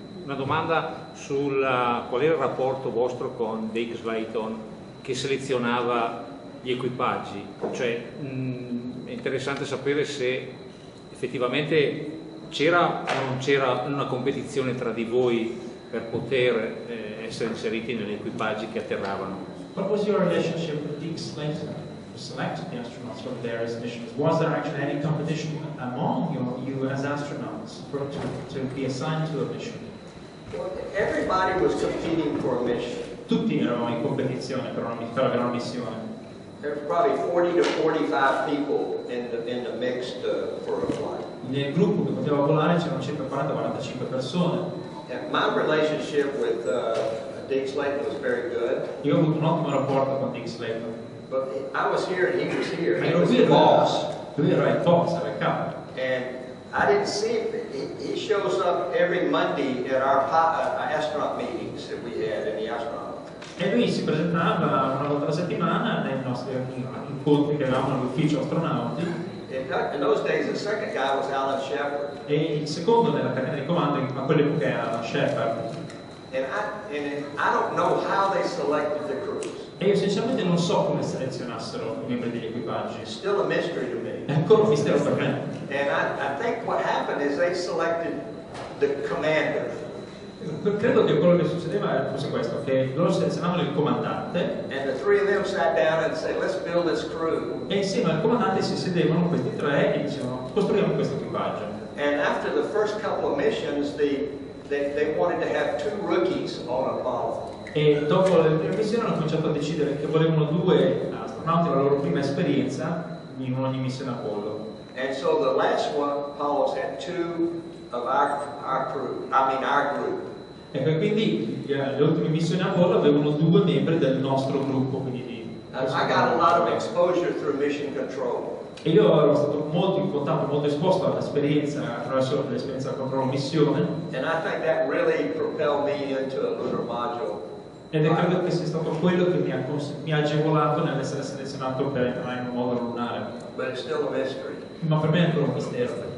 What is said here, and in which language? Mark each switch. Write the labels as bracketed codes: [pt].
[it] Una domanda sul qual era il rapporto vostro con Dick Slayton che selezionava gli equipaggi, cioè è interessante sapere se effettivamente c'era o non c'era una competizione tra di voi per poter essere inseriti negli equipaggi che atterravano. [en] What was your relationship with Dick Slayton to select the astronauts from various missions? Was there actually any competition among you as astronauts to be assigned to a mission? Well, everybody was competing for a mission. [it] Tutti erano in competizione per una missione. [en] There were probably 40 to 45 people in the mix for a flight. [it] Nel gruppo che poteva volare c'erano circa 40-45 persone. [en] And my relationship with Dick Slayton was very good. [it] Io ho avuto un ottimo rapporto con Dick Slayton. [en] But I was here and he was here. [it] Ma ero qui, [en] the boss. [it] Lui era il boss, era il capo. [en] And I didn't see him. He shows up every Monday at our astronaut meetings that we had in the astronaut. [it] E lui si presentava una volta a settimana nei nostri incontri che avevamo nell'ufficio astronauti. [en] In those days, the second guy was Alan Shepard. [it] E il secondo nella catena di comando a quell'epoca era Alan Shepard. [en] And I don't know how they selected the crews. [it] E io sinceramente non so come selezionassero i membri degli equipaggi. [en] Still a mystery to me. [it] È ancora un mistero per me. [en] And I think what happened is they selected the commander. [it] Credo che quello che succedeva fosse questo, che loro selezionavano il comandante. [en] And the three of them sat down and said, let's build this crew. [it] E insieme al comandante si sedevano questi tre e dicevano, costruiamo questo equipaggio. [en] And after the first couple of missions, they wanted to have 2 rookies on Apollo. [it] E dopo le prime missioni hanno cominciato a decidere che volevano 2 astronauti della loro prima esperienza in ogni missione Apollo. [en] And so the last one, Apollo's had 2 of our group. [it] E quindi le ultime missioni Apollo avevano 2 membri del nostro gruppo. Quindi [en] I got a lot of exposure through mission control. [it] E io ero stato molto in contatto, molto esposto all'esperienza attraverso l'esperienza di controllo missione. [en] And I think that really propelled me into a lunar module. [it] Ed è credo che sia stato quello che mi ha agevolato nell'essere selezionato per entrare in un modulo lunare. [en] But it's still a mystery. [it] Ma per me è ancora un mistero.